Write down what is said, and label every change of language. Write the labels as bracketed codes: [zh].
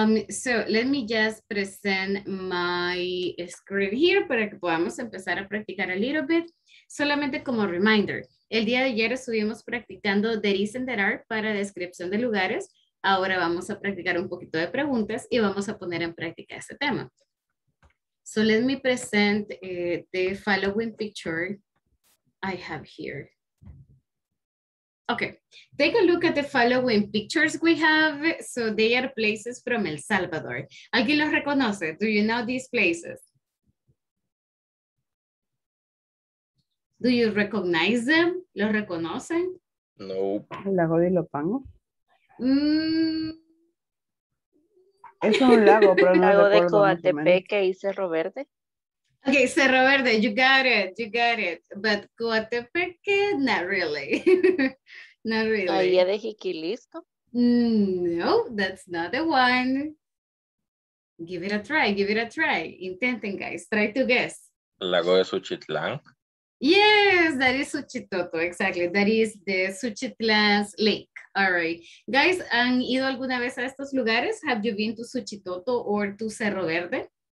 [en] So let me just present my screen here [es] para que podamos empezar a practicar [en] a little bit. [es] Solamente como reminder, el día de ayer estuvimos practicando [en] there is and there are [es] para descripción de lugares. Ahora vamos a practicar un poquito de preguntas y vamos a poner en práctica este tema. [en] So let me present the following picture I have here. Okay, take a look at the following pictures we have. So they are places from El Salvador. [es] ¿Alguien los reconoce? [en] Do you know these places? Do you recognize them? [es] ¿Los reconocen? No. ¿El lago de Ilopango? Mm. Es un lago, pero no. ¿Lago de Coatepeque y Cerro Verde? [en] Okay, Cerro Verde, you got it. But Coatepeque, not really. Not really. [es] ¿Bahía de Jiquilisco? [en] No, that's not the one. Give it a try. [es] Intenten, [en] guys. Try to guess. [es] ¿Lago de Suchitlán? [en] Yes, that is Suchitoto, exactly. That is the Suchitlán's lake. All right. [es] Guys, ¿han ido alguna vez a estos lugares? [en] Have you been to Suchitoto or to Cerro Verde?